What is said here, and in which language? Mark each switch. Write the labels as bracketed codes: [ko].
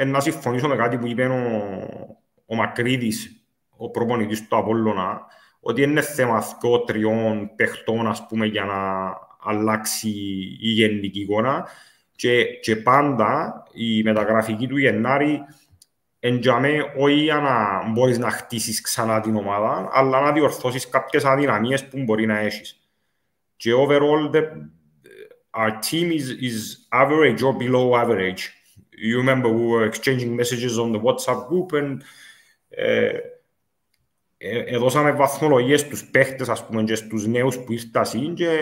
[el] Να συμφωνήσω με κάτι που είπε ο Μακρύδης, ο προπονητής του Απόλλωνα, ότι είναι θέμα 2-3 παιχτών, ας πούμε, για να αλλάξει η γενική εικόνα. Και πάντα η μεταγραφική του Γενάρη εντιαμέ όχι για να μπορείς να χτίσεις ξανά την ομάδα, αλλά να διορθώσεις κάποιες αδυναμίες που μπορεί να έχεις. [en] Και overall, our team is average or below average. You remember we were exchanging messages on the WhatsApp group and [el] δώσαμε βαθμολογίες στους παίχτες, ας πούμε, και στους νέους που ήρθαν σύν.